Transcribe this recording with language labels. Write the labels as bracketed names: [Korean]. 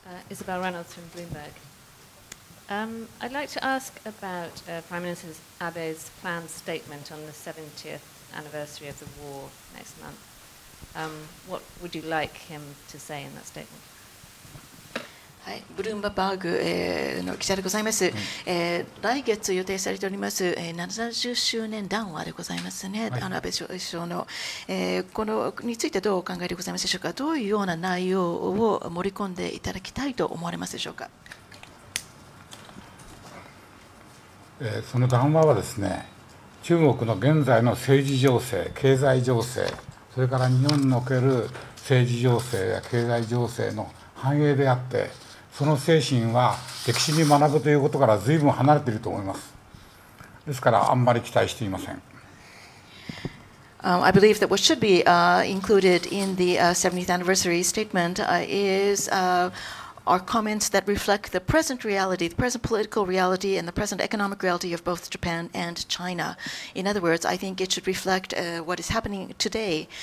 [English] Isabel Reynolds from Bloomberg. I'd like to ask about Prime Minister Abe's planned statement on the 70th anniversary of the war next month. What would you like him to say in that statement? [Japanese] はい、ブルームバーグの記者でございます、来月予定されております、70周年談話でございますね、はい、安倍首相の、このについてどうお考えでございますでしょうか。どういうような内容を盛り込んでいただきたいと思われますでしょうか。その談話はですね、中国の現在の政治情勢、経済情勢、それから日本における政治情勢や経済情勢の反映であって、その精神は歴史に学ぶということから随分離れていると思います。ですからあんまり期待していません。 [English] I believe that what should be included in the 70th anniversary statement is our comments that reflect the present reality, the present political reality and the present economic reality of both Japan and China. In other words, I think it should reflect what is happening today.